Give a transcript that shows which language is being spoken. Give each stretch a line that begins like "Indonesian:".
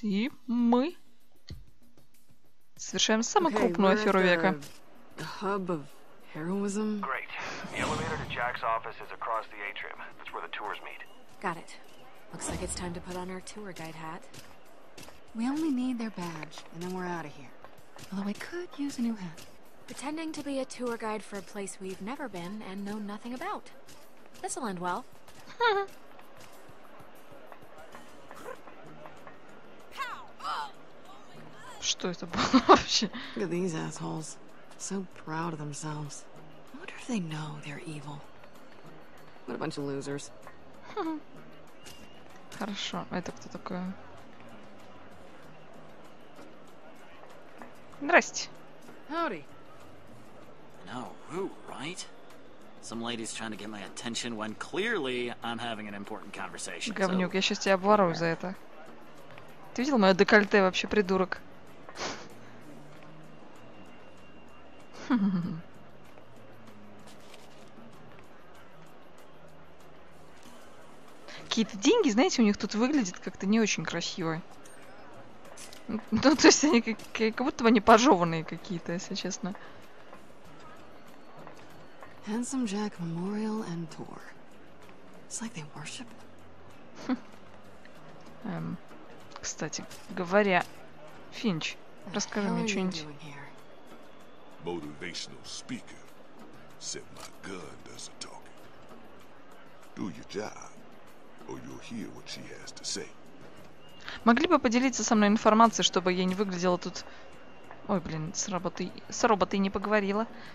Russian: И мы совершаем самую крупную аферу века.
English: Pretending to be a tour guide for a place we've never been and know nothing about. This'll end well.
Russian: Что это было вообще?
English: Look at these assholes. So proud of themselves. I wonder if they know they're evil. What a bunch of losers.
Russian: Хорошо, это кто такое? Здрасте.
English: Howdy. No, rude, right? Some lady's trying to get my attention when clearly I'm having an important conversation.
Russian: Говнюк, я сейчас тебя обворую за это. Ты видел моё декольте вообще, придурок? Какие-то деньги, знаете, у них тут выглядят как-то не очень красиво. Ну, то есть они как будто бы они пожёванные какие-то, если честно.
English: Handsome Jack Memorial and Tour. It's like they worship.
Russian: Кстати, говоря, Финч, расскажи мне что-нибудь.
English: Motivational speaker. Said my gun doesn't talk. Do your job, or you'll hear what she has to say.
Russian: Могли бы поделиться со мной информацией, чтобы я не выглядела тут... Ой, блин, с роботой не поговорила.